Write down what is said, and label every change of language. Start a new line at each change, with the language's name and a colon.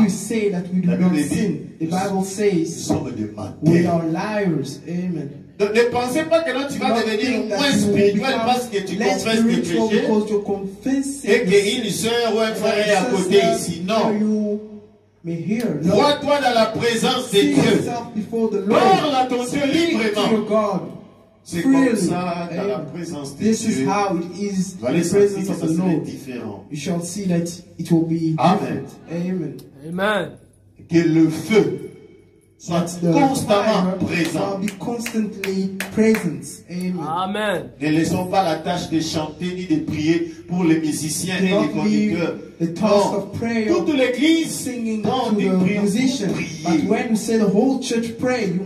English: you say that we do not sin, the Bible says,
French: sommes des menteurs.
English: We are liars. Amen.
French: Ne pensez pas que là tu vas devenir moins spirituel parce que tu confesses tes péchés et qu'il y a une soeur ou un frère à côté ici. Non. Vois-toi dans la présence de Dieu. Parle à ton Dieu librement. C'est comme ça dans la présence de Dieu.
English: This is how it is.
French: Tu vas les sentir que ça sera différent.
English: You shall see that it will be different. Amen. Amen.
French: Que le feu soit constamment présent.
English: Be constantly present. Amen. Amen.
French: Ne laissons pas la tâche de chanter ni de prier pour les musiciens et les conducteurs.
English: The task of prayer,
French: toute l'église,
English: singing to the musician. But when we say the whole church pray, you